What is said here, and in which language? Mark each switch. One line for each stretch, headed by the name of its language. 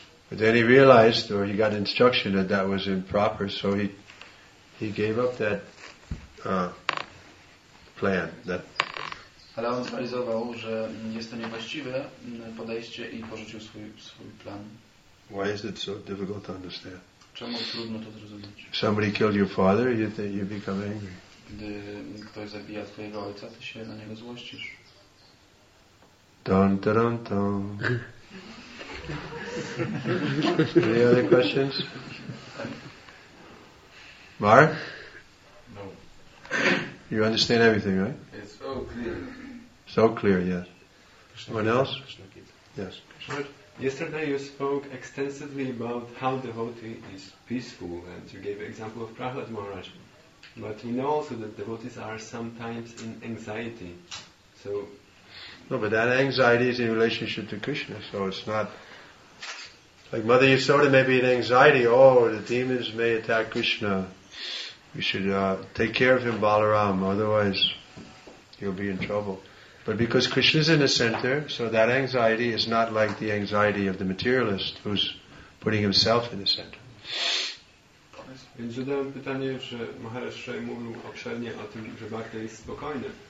English: But then he realized, or he got instruction that that was improper, so he gave up that plan. That.
Polish: Ale on zrealizował, że jest to niewłaściwe podejście i porzucił swój plan.
English: Why is it so difficult to understand?
Polish: Czemu trudno to zrozumieć?
English: Somebody killed your father, you become angry.
Polish: Gdy ktoś zabija twojego ojca, ty się na niego złościsz. Dun, dun, dun.
English: Any other questions? Mark? No. You understand everything, right? It's so clear. So clear, yes. Anyone else? Yes. Yesterday you spoke extensively about how devotee is peaceful, and you gave an example of Prahlad Maharaj. But we know also that devotees are sometimes in anxiety. So. No, but that anxiety is in relationship to Krishna, so it's not like Mother Yasoda may be in anxiety, oh, the demons may attack Krishna. We should take care of him, Balaram, otherwise he'll be in trouble. But because Krishna's in the center, so that anxiety is not like the anxiety of the materialist who's putting himself in the center.
Polish: Więc zadałem pytanie, że Maharaj Shrey mówił obszernie o tym, że Bhakta jest spokojny.